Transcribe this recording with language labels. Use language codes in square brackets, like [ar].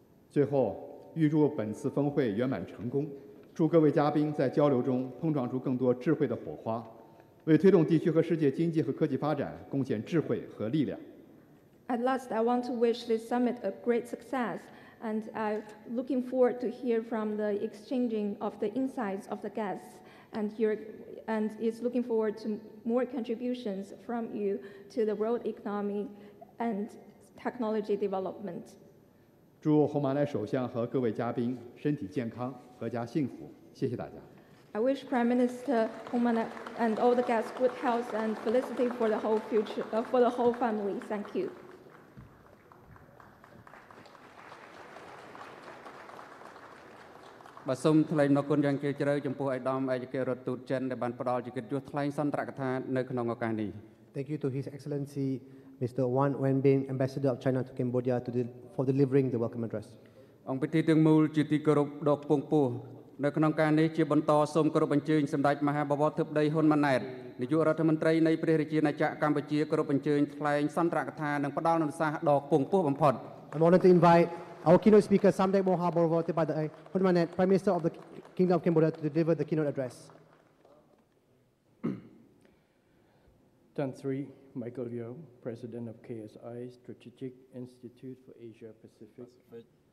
[zh] 最后，预祝本次峰会圆满成功，祝各位嘉宾在交流中碰撞出更多智慧的火花，为推动地区和世界经济和科技发展贡献智慧和力量。 [en] At last, I want to wish this summit a great success, and I'm looking forward to hear from the exchanging of the insights of the guests, and is looking forward to more contributions from you to the world economy and technology development. [zh] 祝洪马来首相和各位嘉宾身体健康，阖家幸福。谢谢大家。 [en] I wish Prime Minister Hun Manet and all the guests good health and felicity for the whole future, for the whole family. Thank you. [km] បាទសូមថ្លែងអំណរគុណយ៉ាងជ្រាលជ្រៅចំពោះអៃដាមឯកអគ្គរដ្ឋទូតចិនដែលបានផ្ដល់ជាកិត្តិយសថ្លែងសន្ទរកថានៅក្នុងឱកាសនេះ [en] Thank you to His Excellency Mr. Wang Wenbin Ambassador of China to Cambodia to for delivering the welcome address [km] អង្គពិធីទាំងមូលជាទីគោរពដ៏ខ្ពង់ខ្ពស់នៅក្នុងការនេះជាបន្តសូមគោរពអញ្ជើញសម្តេចមហាបវរធិបតីហ៊ុនម៉ាណែតនាយករដ្ឋមន្ត្រីនៃព្រះរាជាណាចក្រកម្ពុជាគោរពអញ្ជើញថ្លែងសន្ទរកថានិងផ្ដល់នូវសារដ៏ខ្ពង់ខ្ពស់បំផុត [en] I'm honored to inviteOur keynote speaker, Samdech Moha Borovote by the Hun Manet, Prime Minister of the Kingdom of Cambodia, to deliver the keynote address. Tan Sri Michael Yeo, President of KSI Strategic Institute for Asia Pacific.